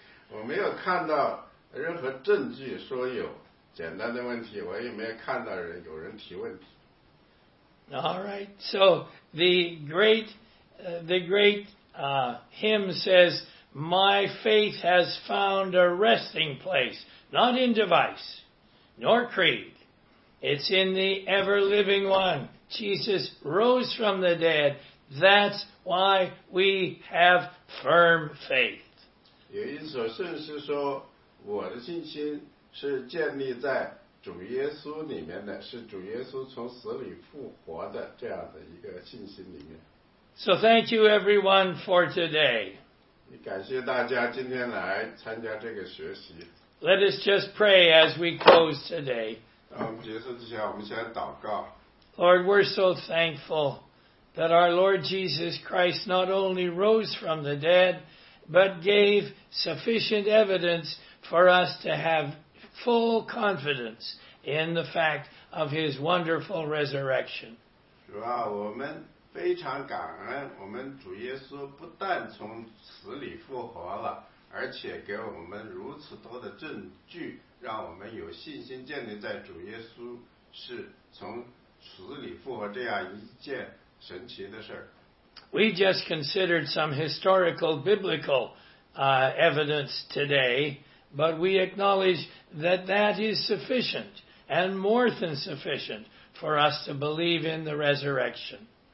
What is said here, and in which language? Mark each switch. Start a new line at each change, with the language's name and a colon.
Chinese: 我没有看到任何证据说有简单的问题，我也没有看到人有人提问题。
English: All right. So the great hymn says, "My faith has found a resting place, not in device, nor creed." It's in the ever-living one. Jesus rose from the dead. That's why we have firm faith.
Chinese: 有一首圣诗说，我的信心是建立在主耶稣里面的，是主耶稣从死里复活的这样的一个信心里面。
English: So thank you everyone for today.
Chinese: 感谢大家今天来参加这个学习。
English: Let us just pray as we close today. Lord, we're so thankful that our Lord Jesus Christ not only rose from the dead, but gave sufficient evidence for us to have full confidence in the fact of his wonderful resurrection.
Chinese: 主啊，我们非常感恩，我们主耶稣不但从死里复活了，而且给我们如此多的证据，让我们有信心建立在主耶稣是从死里复活这样一件神奇的事。
English: We just considered some historical biblical evidence today, but we acknowledge that that is sufficient and more than sufficient for us to believe in the resurrection.